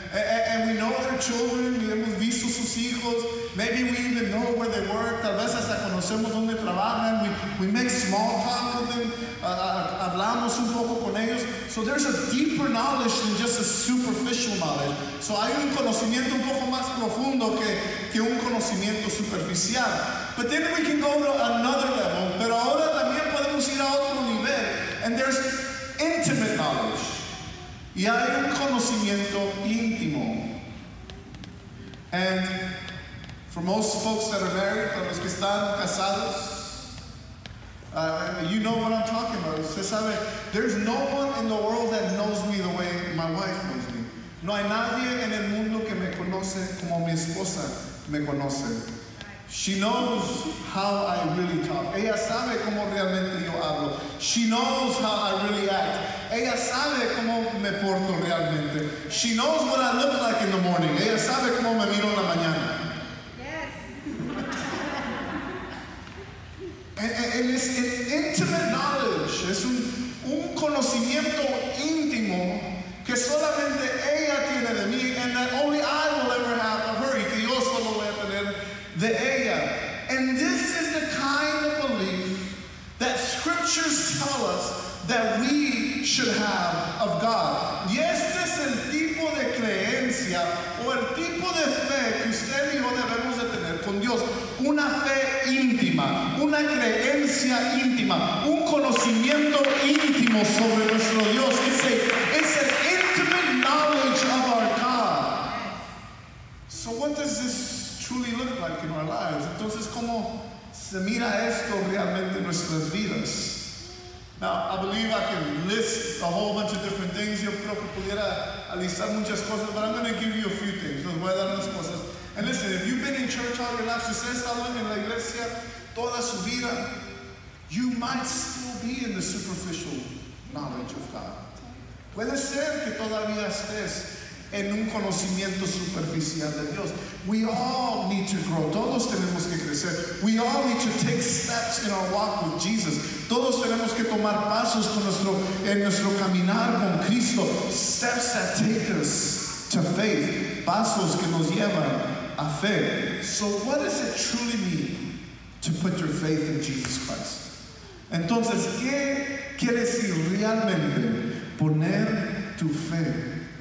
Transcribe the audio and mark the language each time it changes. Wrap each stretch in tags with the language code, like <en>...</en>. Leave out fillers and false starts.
<en>And we know their children,</en> <es>y hemos visto sus hijos.</es> <en>Maybe we even know where they work.</en> <es>Tal vez hasta conocemos donde trabajan.</es> <en>We make small talk with them.</en> <es>Hablamos un poco con ellos.</es> <en>So there's a deeper knowledge than just a superficial knowledge.</en> <es>So hay un conocimiento un poco más profundo que un conocimiento superficial.</es> <en>But then we can go to another level.</en> <es>Pero ahora también podemos ir a otro nivel.</es> <en>And there's intimate knowledge.</en> <es>Y hay un conocimiento íntimo.</es> <en>And for most folks that are married,</en> <es>para los que están casados,</es> <en>you know what I'm talking about.</en> <es>Usted sabe,</es> <en>there's no one in the world that knows me the way my wife knows me.</en> <es>No hay nadie en el mundo que me conoce como mi esposa me conoce.</es> <en>She knows how I really talk.</en> <es>Ella sabe cómo realmente yo hablo.</es> <en>She knows how I really act.</en> <es>Ella sabe cómo me porto realmente.</es> <en>She knows what I look like in the morning.</en> <es>Ella sabe cómo me miro en la mañana.</es> <en>Yes. And it's an intimate knowledge.</en> <es>Es un conocimiento íntimo que solamente ella tiene de mí,</es> <en>and that only I will ever have of her.</en> <es>Y que yo solo voy a tener de ella.</es> <en>And this is the kind of belief that scriptures tell us that we should have of God.</en> <es>Y este es el tipo de creencia o el tipo de fe que usted y yo debemos de tener con Dios. Una fe íntima, una creencia íntima, un conocimiento íntimo sobre nuestro Dios.</es> <en>It's an intimate knowledge of our God. So what does this truly look like in our lives?</en> <es>Entonces, ¿cómo se mira esto realmente en nuestras vidas?</es> <en>Now, I believe I can list a whole bunch of different things.</en> <es>Yo creo que pudiera alistar muchas cosas,</es> <en>but I'm going to give you a few things.</en> <es>Les voy a dar unas cosas.</es> <en>And listen, if you've been in church all your life,</en> <es>si usted ha estado en la iglesia toda su vida,</es> <en>you might still be in the superficial knowledge of God.</en> <es>Puede ser que todavía estés en un conocimiento superficial de Dios.</es> <en>We all need to grow.</en> <es>Todos tenemos que crecer.</es> <en>We all need to take steps in our walk with Jesus.</en> <es>Todos tenemos que tomar pasos en nuestro caminar con Cristo.</es> <en>Steps that take us to faith.</en> <es>Pasos que nos llevan a fe.</es> <en>So what does it truly mean to put your faith in Jesus Christ?</en> <es>Entonces, ¿qué quiere decir realmente poner tu fe?</es>